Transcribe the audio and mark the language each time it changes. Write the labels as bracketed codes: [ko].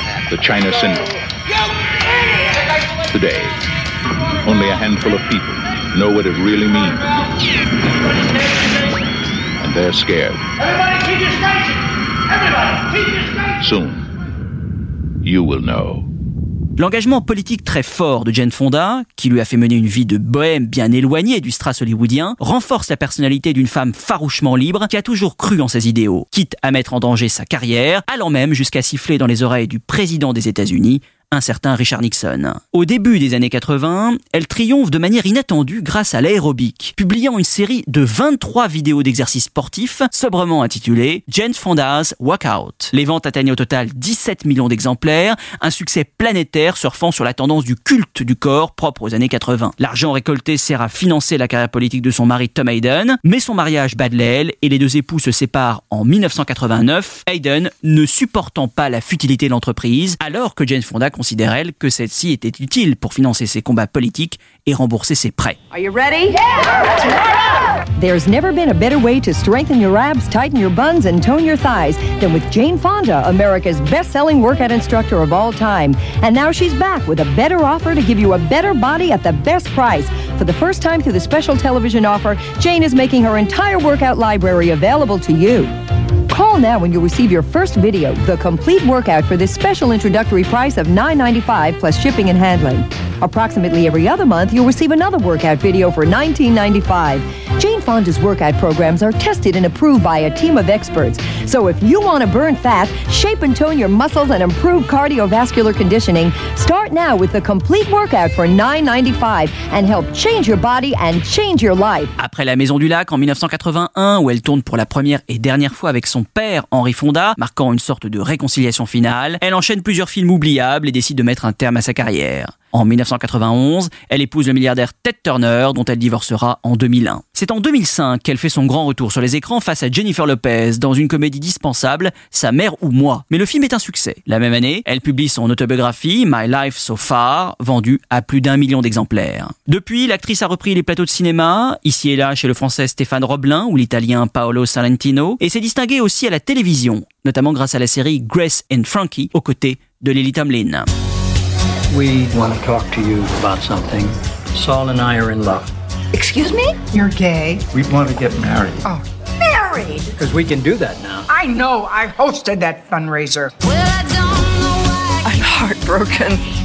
[en] The China Syndrome. You idiot! Today, only a handful of people know what it really means. And they're scared. Everybody keep your station! Everybody keep your station! Soon, you will know. [fr] L'engagement politique très fort de Jane Fonda, qui lui a fait mener une vie de bohème bien éloignée du strass hollywoodien, renforce la personnalité d'une femme farouchement libre qui a toujours cru en ses idéaux, quitte à mettre en danger sa carrière, allant même jusqu'à siffler dans les oreilles du président des États-Unis, un certain Richard Nixon. Au début des années 80, elle triomphe de manière inattendue grâce à l'aérobic, publiant une série de 23 vidéos d'exercices sportifs, sobrement intitulées Jane Fonda's Workout. Les ventes atteignent au total 17 millions d'exemplaires, un succès planétaire surfant sur la tendance du culte du corps propre aux années 80. L'argent récolté sert à financer la carrière politique de son mari Tom Hayden, mais son mariage bat de l'aile et les deux époux se séparent en 1989, Hayden ne supportant pas la futilité de l'entreprise, alors que Jane Fonda considère elle que celle-ci était utile pour financer ses combats politiques et rembourser ses prêts. [en] Are you ready? Yeah! There's never been a better way to strengthen your abs, tighten your buns, and tone your thighs than with Jane Fonda, America's best-selling workout instructor of all time. And now she's back with a better offer to give you a better body at the best price. For the first time through the special television offer, Jane is making her entire workout library available to you. Call now when you receive your first video, the complete workout, for this special introductory price of $9.95 plus shipping and handling. Approximately every other month, you'll receive another workout video for $19.95. Jane Fonda's workout programs are tested and approved by a team of experts. So if you want to burn fat, shape and tone your muscles, and improve cardiovascular conditioning, start now with the complete workout for $9.95 and help change your body and change your life. [fr] Après La Maison du Lac en 1981, où elle tourne pour la première et dernière fois avec son père Henry Fonda, marquant une sorte de réconciliation finale, elle enchaîne plusieurs films oubliables et décide de mettre un terme à sa carrière. En 1991, elle épouse le milliardaire Ted Turner, dont elle divorcera en 2001. C'est en 2005 qu'elle fait son grand retour sur les écrans face à Jennifer Lopez dans une comédie dispensable, Sa mère ou moi. Mais le film est un succès. La même année, elle publie son autobiographie, My Life So Far, vendue à plus d'un million d'exemplaires. Depuis, l'actrice a repris les plateaux de cinéma, ici et là chez le français Stéphane Roblin ou l'italien Paolo Sorrentino, et s'est distinguée aussi à la télévision, notamment grâce à la série Grace and Frankie, aux côtés de Lily Tomlin. [en] We want to talk to you about something. Saul and I are in love. Excuse me? You're gay. We want to get married. Oh, married? Because we can do that now. I know. I hosted that fundraiser. Well, I don't know why. I'm heartbroken.